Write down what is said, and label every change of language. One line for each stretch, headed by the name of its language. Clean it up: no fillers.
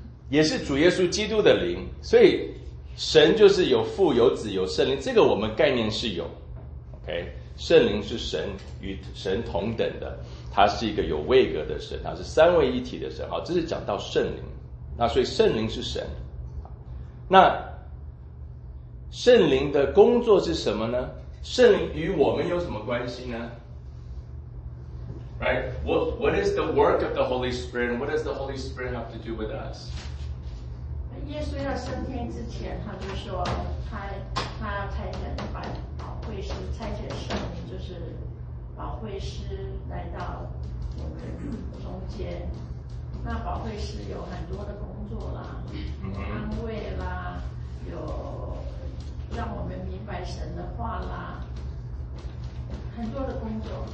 Chinese: 也是主耶稣基督的灵，所以神就是有父有子有圣灵，这个我们概念是有 OK， 圣灵是神与神同等的，他是一个有位格的神，他是三位一体的神。好，这是讲到圣灵，那所以圣灵是神，那圣灵的工作是什么呢？圣灵与我们有什么关系呢？
English: Right? What is the work of the Holy Spirit? What does the Holy Spirit have to do with us?
Chinese: 耶稣要升天之前，他就说他要差遣保惠师，差遣圣灵，就是保惠师来到我们中间。那保惠师有很多的工作啦，有安慰啦，有让我们明白神的话啦，很多的工作。